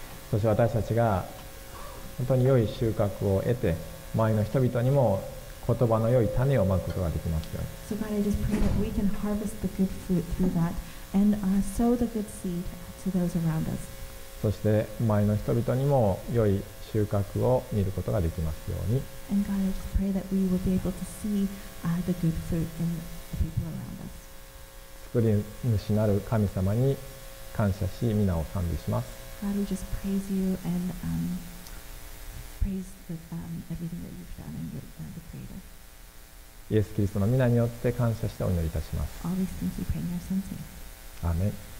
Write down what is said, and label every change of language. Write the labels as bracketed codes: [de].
[ja] そして私たちが本当に良い収穫を得て、周りの人々にも言葉の良い種をまくことができますように。 [en] So God, I just pray that we can harvest the good fruit through that and sow the good seed to those around us. [ja] そして周りの人々にも良い収穫を見ることができますように。 [en] And God, I just pray that we will be able to see the good fruit in the people around us. [ja] 作り主なる神様に感謝し、皆を賛美します。 [en] God, we just praise you and praise the, everything that you've done and you're the creator. [ja] イエス・キリストの皆によって感謝してお祈りいたします。 [en] All these things we pray in your son's name. [ja] アーメン。